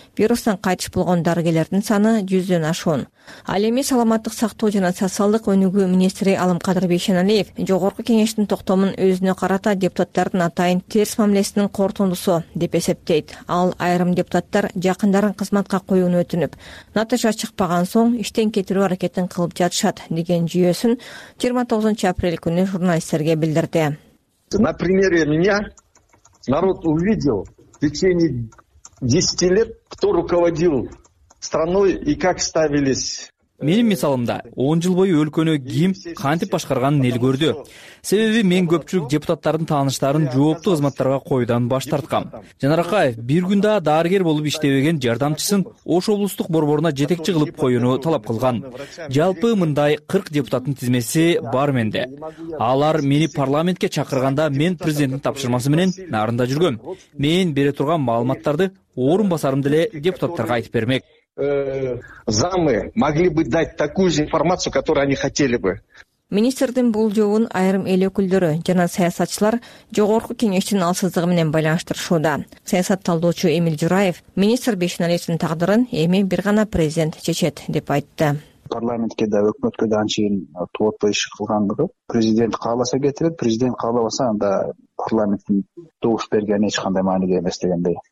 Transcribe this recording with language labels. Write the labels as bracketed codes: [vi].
[ky] Вирустан кайтыш болгон дарыгерлердин саны 100 ашуун. Ал эми саламаттык сактоо жана социалдык өнүгүү министри Алымкадыр Бейшеналиев Жогорку кеңештин токтомун өзүнө карата депутаттардын атайын терс мамилесинин корутундусу деп эсептейт. Ал айрым депутаттар жакындарын кызматка коюуну өтүнүп, натыйжа чыкпаган соң иштен кетирүү аракетин кылып жатышат деген жүйөсүн 29 апрель күнү журналисттерге билдирди. [ru] На примере меня народ увидел в течение 10 лет, кто руководил страной и как ставились. [ky] Менин мисалымда 10 жыл бою өлкөнү ким кантип башкарганын эл көрдү. Себеби мен көпчүлүк депутаттардын тааныштарын жооптуу кызматтарга коюудан баш тарткам. Жанаракаев бир күн да дарыгер болуп иштебеген жардамчысын Ош облустук борборуна жетекчи кылып коюуну талап кылган. Жалпы мындай 40 депутаттын тизмеси бар менде. Алар мени парламентке чакырганда мен президенттин тапшырмасы менен нарында жүргөм. Мен бере турган маалыматтарды орун басарым деле депутаттарга айтып бермек. [ru] Замы могли бы дать такую же информацию, которую они хотели бы. [ky] Министрдин бул жообун айрым эл өкүлдөрү жана саясатчылар Жогорку кеңештин алсыздыгы менен байланыштырышууда. Саясат талдоочу Эмиль Жураев министр Бейшеналиевдин тагдырын эми бир гана президент чечет деп айтты. Парламентке да өкмөткө да анчейин тоотпой иш кылгандыгы, президент кааласа кетирет, президент каалабаса анда парламенттин добуш бергени эч кандай мааниде эмес дегендей.